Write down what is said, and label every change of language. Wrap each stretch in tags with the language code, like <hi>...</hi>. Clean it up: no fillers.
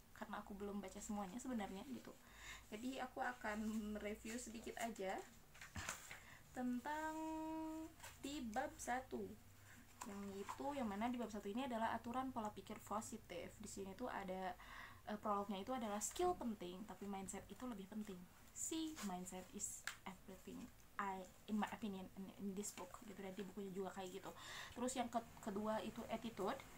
<id>Karena aku belum baca semuanya sebenarnya gitu. Jadi aku akan review sedikit aja tentang di bab 1. yang itu, yang mana di bab satu ini adalah aturan pola pikir positif. Di sini tuh ada prolognya itu adalah skill penting, tapi mindset itu lebih penting.</id> <en>See, mindset is everything. In my opinion, in this book, gitu.</en> <id>Dan di bukunya juga kayak gitu. Terus yang kedua itu attitude.</id>